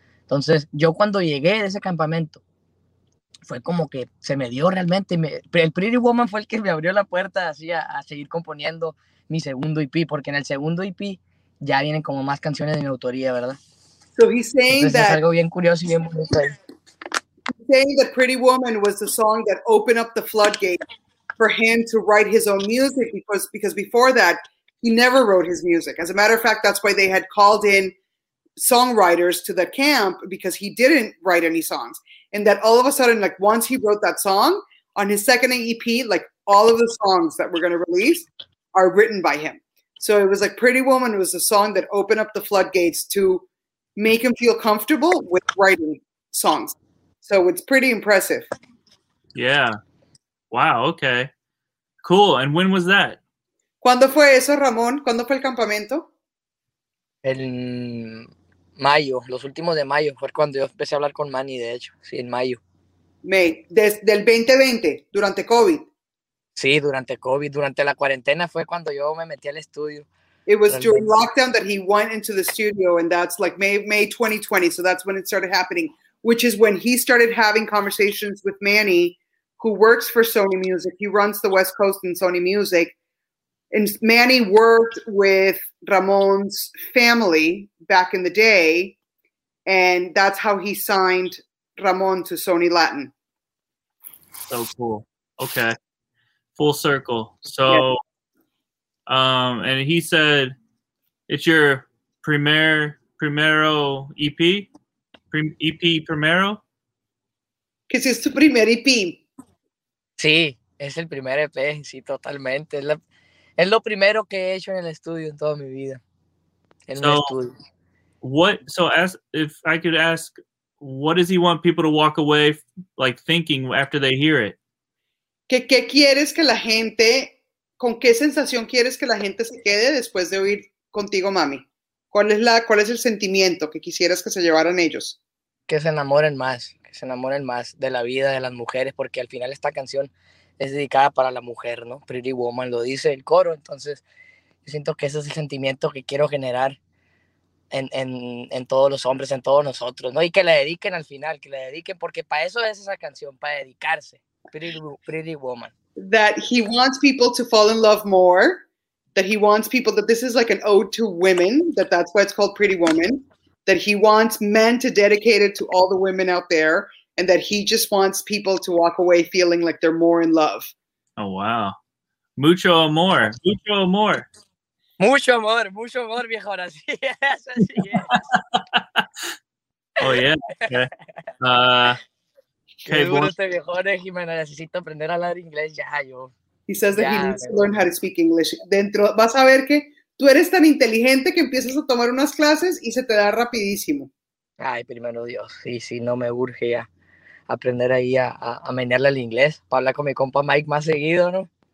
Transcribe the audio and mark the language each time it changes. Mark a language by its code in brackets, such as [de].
[es] Entonces, yo cuando llegué de ese campamento, fue como que se me dio realmente. El Pretty Woman fue el que me abrió la puerta así a seguir componiendo mi segundo EP, porque en el segundo EP ya vienen como más canciones de mi autoría, ¿verdad? [en] So he's saying [es] entonces, [en] that [es] es algo bien curioso y bien bonito ahí. [en] Saying that Pretty Woman was the song that opened up the floodgate for him to write his own music, because before that, he never wrote his music. As a matter of fact, that's why they had called in songwriters to the camp, because he didn't write any songs. And that all of a sudden, like once he wrote that song, on his second EP, like all of the songs that we're going to release are written by him. So it was like Pretty Woman was the song that opened up the floodgates to make him feel comfortable with writing songs. So it's pretty impressive. Yeah. Wow, okay. Cool. And when was that? [es] ¿Cuándo fue eso, Ramón? ¿Cuándo fue el campamento? En mayo, los últimos de mayo. Fue cuando yo empecé a hablar con Manny, de hecho. Sí, en mayo. May. Desde el 2020, durante COVID. Sí, durante COVID. Durante la cuarentena fue cuando yo me metí al estudio. [en] It was during lockdown that he went into the studio, and that's like May 2020. So that's when it started happening. Which is when he started having conversations with Manny, who works for Sony Music. He runs the West Coast in Sony Music. And Manny worked with Ramon's family back in the day. And that's how he signed Ramon to Sony Latin. So cool. Okay. Full circle. So, yeah. And he said, it's your [es] primero [en] EP? [es] EP primero? ¿Qué es tu primer EP? Sí, es el primer EP, sí, totalmente. Es lo primero que he hecho en el estudio en toda mi vida. En [en] so, [es] un estudio. [en] What, so as, if I could ask, what does he want people to walk away like thinking after they hear it? [es] ¿Qué quieres que la gente, con qué sensación quieres que la gente se quede después de oír contigo, mami? ¿Cuál es el sentimiento que quisieras que se llevaran ellos? Que se enamoren más de la vida de las mujeres, porque al final esta canción es dedicada para la mujer, ¿no? Pretty Woman lo dice el coro, entonces yo siento que ese es el sentimiento que quiero generar en todos los hombres, en todos nosotros, ¿no? Y que la dediquen al final, que la dediquen, porque para eso es esa canción, para dedicarse, Pretty Woman. [en] That he wants people to fall in love more. That he wants people, that this is like an ode to women, that's why it's called Pretty Woman, that he wants men to dedicate it to all the women out there, and that he just wants people to walk away feeling like they're more in love. Oh, wow. [es] Mucho amor. Mucho amor. Mucho amor. Mucho amor, viejo. Así es. Así es. [en] Oh, yeah. Okay. [es] Qué duro este viejo, Jimena. Necesito aprender a hablar inglés ya, yo. [en] He says that he needs to learn how to speak English. [es] Dentro, vas a ver que tú eres tan inteligente que empiezas a tomar unas clases y se te da rapidísimo. Ay, primero Dios. Sí, no me urge a aprender ahí a menearle el inglés para hablar con mi compa Mike más seguido, ¿no?